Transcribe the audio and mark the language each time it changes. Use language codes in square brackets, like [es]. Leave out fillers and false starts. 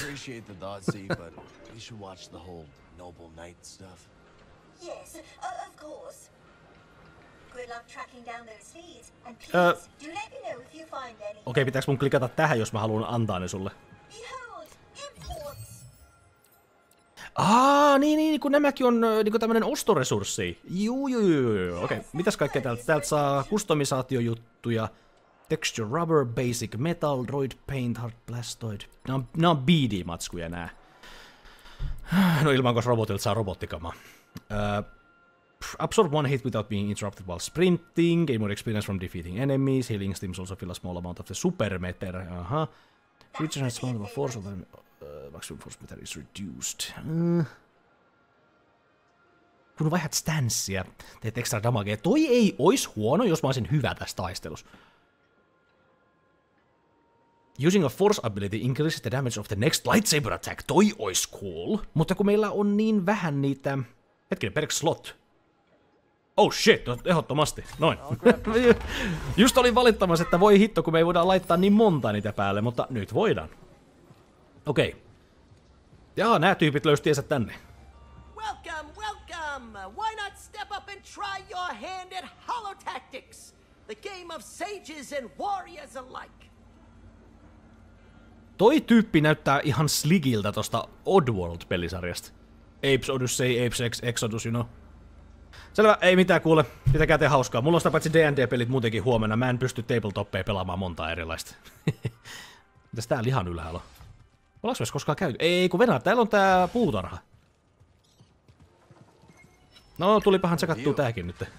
[en] Appreciate the Dotsy, but you should watch the whole Noble Knight stuff. Yes, of course. Good luck tracking down those thieves, and please do let me know if you find any. [fi] Okei, pitääks mun klikata tähän, jos mä haluan antaa ne sulle? [en] Behold, imports. [fi] Ah, niin, kun nämäkin on niin tämmönen ostoresurssi. Juu. Okei, okay. Mitäs kaikkea täältä saa? Kustomisaatiojuttuja. [en] Texture rubber, basic metal, droid paint, hard plastoid. [fi] Nää on BD-matskuja nää. No ilman, koska robotilta saa robottikamaa. [en] Absorb one hit without being interrupted while sprinting. Gain more experience from defeating enemies. Healing steams also fill a small amount of the super meter. Aha. Creature has small amount of force, then maximum force meter is reduced. [fi] Kun vaihdat stanssia, teet extra damagea. Toi ei ois huono, jos mä olisin hyvä tässä taistelussa. [en] Using a force ability increases the damage of the next lightsaber attack. [fi] Toi ois cool. Mutta kun meillä on niin vähän niitä... Hetkinen, perk slot. [en] Oh shit, [fi] no, ehdottomasti. Noin. Just olin valittamassa, että voi hitto, kun me ei voida laittaa niin monta niitä päälle, mutta nyt voidaan. Okei. Okay. Jaa, nää tyypit löysi tiesä tänne. [en] Welcome, welcome! Why not step up and try your hand at Holo Tactics? The game of sages and warriors alike. [fi] Toi tyyppi näyttää ihan sligiltä tosta Oddworld-pelisarjasta. [en] Apes Odyssey, Apes Exodus, you know. [fi] Selvä, ei mitään kuule. Pitäkää te hauskaa. Mulla on sitä paitsi D&D-pelit muutenkin huomenna. Mä en pysty tabletoppeja pelaamaan montaa erilaista. Mitäs tää lihan ylhäällä on? Ollaanko myös koskaan käynyt? Ei, kun venää. Täällä on tää puutarha. No, tulipahan tsekattua tääkin nyt.